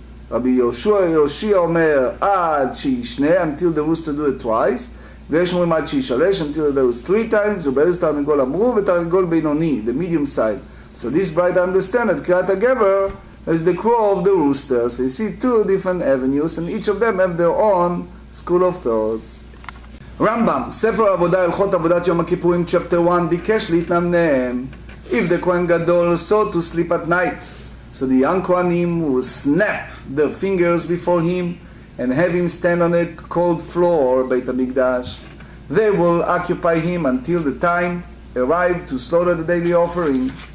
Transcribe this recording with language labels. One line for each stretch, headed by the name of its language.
Hebrew: Rabbi Yoshua Yoshia omer, ad shishne,
English: until the rooster do it twice,
Hebrew: ויש אומרים עד שישלש,
English: until there was three times,
Hebrew: ובאיזה תרנגול אמרו, ותרנגול בינוני,
English: the medium side. So this bride understand that קריאת הגבר is the crow of the rooster. So you see two different avenues, and each of them have their own school of thoughts.
Hebrew: רמב״ם, ספר עבודה, הלכות עבודת יום הכיפורים, chapter 1, ביקש להתנמנם.
English: If the Kohen Gadol sought to sleep at night, so the young Kohanim will snap their fingers before him, and have him stand on a cold floor, Beit HaMikdash. They will occupy him until the time arrived to slaughter the daily offering.